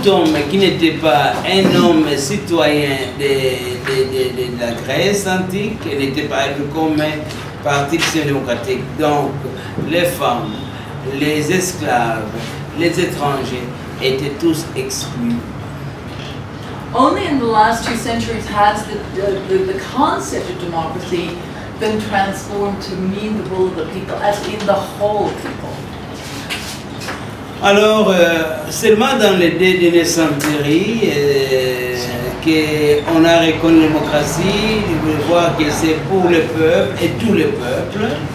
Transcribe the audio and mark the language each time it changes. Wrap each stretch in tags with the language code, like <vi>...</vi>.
<fr>Tout homme qui n'était pas un homme citoyen de la Grèce antique n'était pas comme participation démocratique. Donc, les femmes, les esclaves, les étrangers étaient tous exclus.</fr> <en>Only in the last two centuries has the concept of democracy been transformed to mean the will of the people, as in the whole people.</en> <fr>Alors, seulement dans les deux dernières centuries qu'on a reconnu la démocratie, vous pouvez voir que c'est pour le peuple et tous les peuples.</fr>